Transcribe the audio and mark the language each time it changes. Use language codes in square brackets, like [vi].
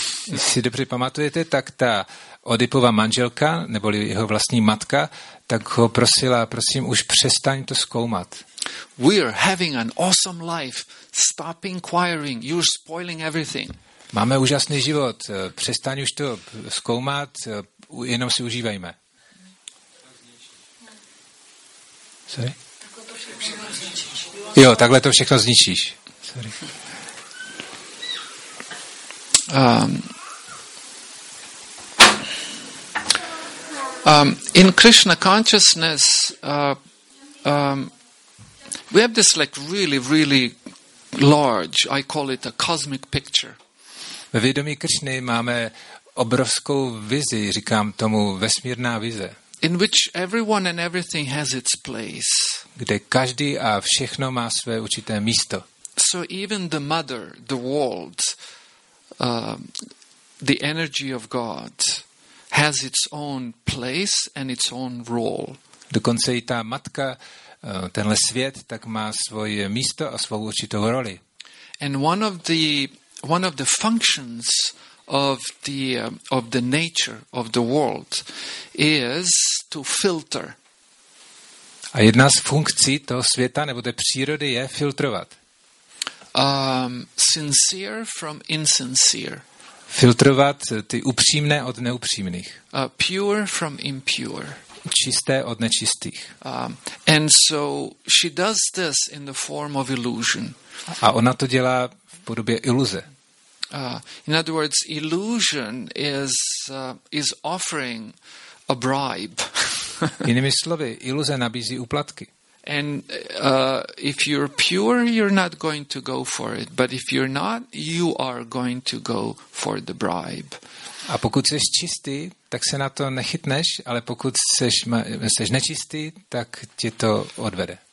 [cs] Když si dobře pamatujete, tak ta Oedipova manželka, neboli jeho vlastní matka, tak ho prosila, prosím, už přestaň to zkoumat. [en] We are having an awesome life. Stop inquiring. You're spoiling everything. [cs] Máme úžasný život. Přestaň už to zkoumat, jenom si užívejme. [en] Sorry? [cs] Jo, takhle to všechno zničíš. [en] Sorry. In Krishna consciousness, we have this like really, really large, I call it a cosmic picture. [cs] Ve vědomí Kršny máme obrovskou vizi, říkám tomu vesmírná vize. [en] In which everyone and everything has its place. [cs] Kde každý a všechno má své určité místo. [en] So even the mother, the world, the energy of God has its own place and its own role. [cs] Dokonce i ta matka, tenhle svět, tak má svoje místo a svou určitou roli. [en] And one of the functions of the nature of the world is to filter. [cs] A jedna z funkcí toho světa nebo té přírody je filtrovat. [en] Sincere from insincere. [cs] Filtrovat ty upřímné od neupřímných. [en] Pure from impure. [cs] Čisté od nečistých. [en] And so she does this in the form of illusion. [cs] A ona to dělá v podobě iluze. [en] In other words, illusion is offering a bribe. [cs] Jinými slovy, iluze nabízí úplatky. [en] And if you're pure, you're not going to go for it. But if you're not, you are going to go for the bribe. [cs] A pokud jsi čistý, tak se na to nechytneš, ale pokud jsi nečistý, tak tě to odvede.